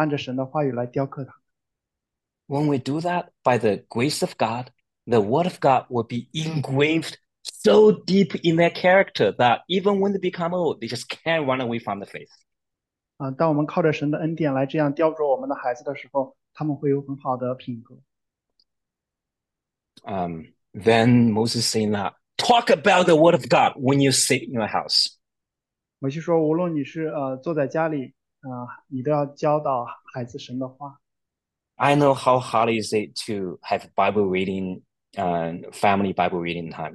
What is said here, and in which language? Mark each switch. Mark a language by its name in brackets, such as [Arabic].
[Chinese] 摩西说，做父母的其实是一个艺术家，是一个雕刻家，要把我们的孩子雕刻成按着神的话语来雕刻他。 [English] When we do that by the grace of God, the word of God will be engraved so deep in their character that even when they become old, they just can't run away from the faith. [Chinese] 当我们靠着神的恩典来这样雕琢我们的孩子的时候，他们会有很好的品格。 [English] Then Moses saying that, talk about the word of God when you sit in your house. [Chinese] 摩西说，无论你是坐在家里，你都要教导孩子神的话。 [English] I know how hard is it to have Bible reading and family Bible reading time.